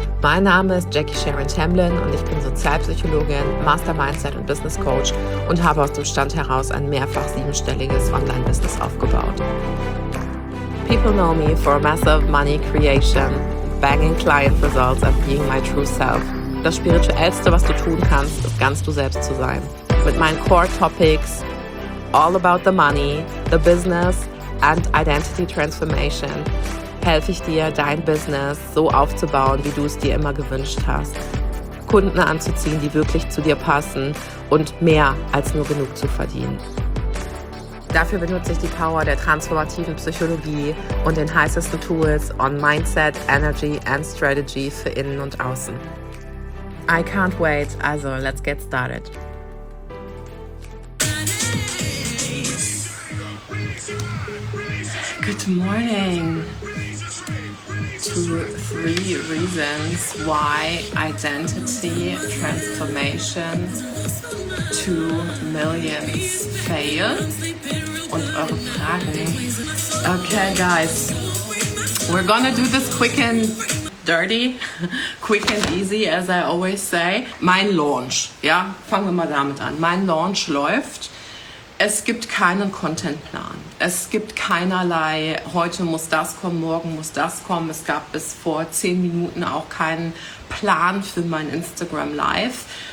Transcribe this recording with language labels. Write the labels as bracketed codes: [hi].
[de] Mein Name ist Jackie Sharon Tamblyn und ich bin Sozialpsychologin, Master Mindset und Business Coach und habe aus dem Stand heraus ein mehrfach siebenstelliges Online-Business aufgebaut. [en] People know me for massive money creation, banging client results and being my true self. [de] Das Spirituellste, was du tun kannst, ist ganz du selbst zu sein. Mit meinen Core Topics, [en] all about the money, the business and identity transformation, [de] helfe ich dir, dein Business so aufzubauen, wie du es dir immer gewünscht hast. Kunden anzuziehen, die wirklich zu dir passen und mehr als nur genug zu verdienen. Dafür benutze ich die Power der transformativen Psychologie und den heißesten Tools [en] on Mindset, Energy and Strategy [de] für innen und außen. [en] I can't wait, also let's get started. Good morning to three reasons why identity transformation to millions failed. [de] Und eure Fragen. [en] Okay, guys, we're gonna do this quick and dirty, quick and easy, as I always say. [de] Mein Launch, ja, fangen wir mal damit an. Mein Launch läuft. Es gibt keinen Contentplan. Es gibt keinerlei, heute muss das kommen, morgen muss das kommen. Es gab bis vor 10 Minuten auch keinen Plan für mein Instagram Live.